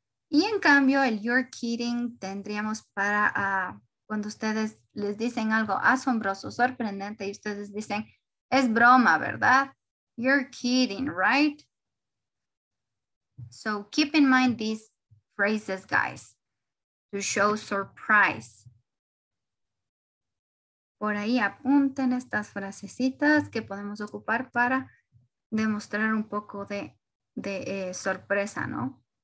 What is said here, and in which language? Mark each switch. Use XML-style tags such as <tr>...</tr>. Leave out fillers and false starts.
<es>Y en cambio el you're kidding tendríamos para cuando ustedes les dicen algo asombroso, sorprendente y ustedes dicen es broma, ¿verdad?</es> <en>You're kidding, right? So keep in mind these phrases, guys, to show surprise.</en> <es>Por ahí apunten estas frasecitas que podemos ocupar para demostrar un poco de sorpresa, ¿no?</es>